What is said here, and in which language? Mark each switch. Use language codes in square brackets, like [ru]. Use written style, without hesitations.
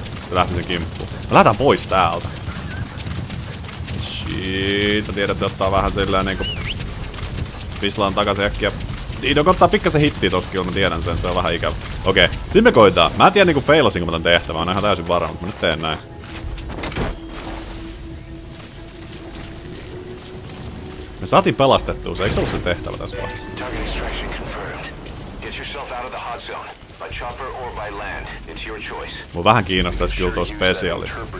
[fi] Mä lähdetään pois täältä. Shit, mä tiedän, että se ottaa vähän silleen niinku... Pislaan takaisin äkkiä. D-Dog ottaa pikkasen hittiä tossa kyllä, mä tiedän sen, se on vähän ikävä. Okei, siin me koitaan. Mä en tiedä niinku feilasin, kun mä tän tehtävän. Mä oon täysin varma, mutta mä nyt teen näin. Me saatiin pelastettua se. Eiks se ollu se tehtävä tässä vaiheessa? [en] Target extraction confirmed. Get yourself out of the hot zone. By chopper or by land. It's your choice. [fi] Mua vähän kiinnostais kyllä tuo spesiaalista.